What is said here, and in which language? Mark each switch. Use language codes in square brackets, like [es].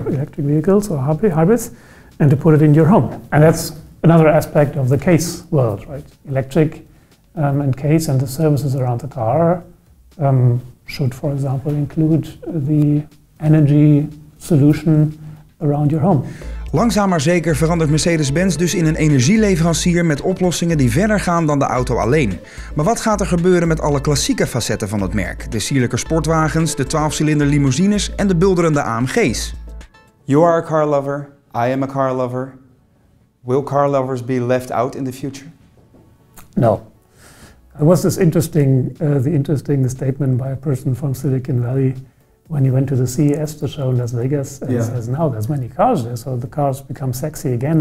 [en] for electric vehicles or hybrids, and to put it in your home. And that's another aspect of the CASE world, right? Electric and CASE and the services around the car should, for example, include the energy solution around your home. [nl] Langzaam maar zeker verandert Mercedes-Benz dus in een energieleverancier met oplossingen die verder gaan dan de auto alleen. Maar wat gaat er gebeuren met alle klassieke facetten van het merk? De sierlijke sportwagens, de 12-cilinder limousines en de bulderende AMG's? [en] You are a car lover, I am a car lover. Will car lovers be left out in the future? No. It was this interesting statement by a person from Silicon Valley. When you went to the CES, the show in Las Vegas, and yeah, says, now there's many cars there, so the cars become sexy again.